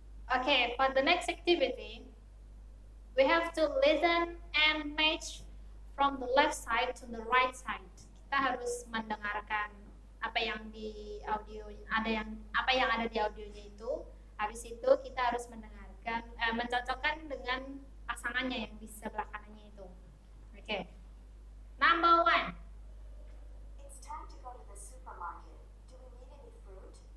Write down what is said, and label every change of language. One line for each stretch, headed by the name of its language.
English: Okay, for the next activity, we have to listen and match from the left side to the right side.
Indonesian: Kita harus mendengarkan apa yang di audio, ada di audionya itu. Habis itu kita harus mendengarkan, mencocokkan dengan pasangannya yang di sebelah kanannya itu.
English: Okay, number one. It's time to go to the supermarket. Do we need any fruit?